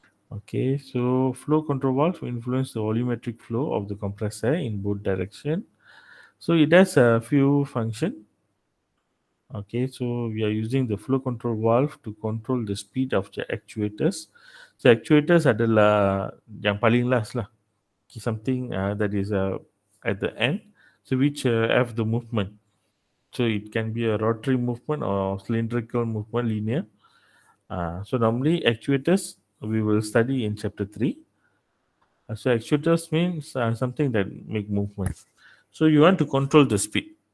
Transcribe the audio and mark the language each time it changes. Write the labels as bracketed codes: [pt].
[en] Okay, so flow control valve influence the volumetric flow of the compressor in both direction. So it has a few function. Okay, so we are using the flow control valve to control the speed of the actuators. [ms] So actuators adalah yang paling last lah. [en] Something that is at the end, so which have the movement. So it can be a rotary movement or cylindrical movement, linear. So normally actuators we will study in chapter 3. So actuators means something that make movement. So you want to control the speed.